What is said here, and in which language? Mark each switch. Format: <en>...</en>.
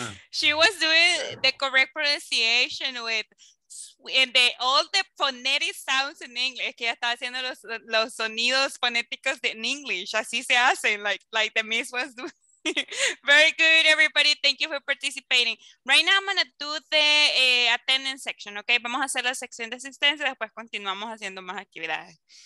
<en>She was doing the correct pronunciation with and the all the phonetic sounds in English.</en> <es>Que ella estaba haciendo los sonidos fonéticos de en English. Así se hacen,</es> <en>like the miss was doing. Very good, everybody. Thank you for participating. Right now, I'm going to do the attendance section, okay?</en> <es>Vamos a hacer la sección de asistencia, después continuamos haciendo más actividades.</es>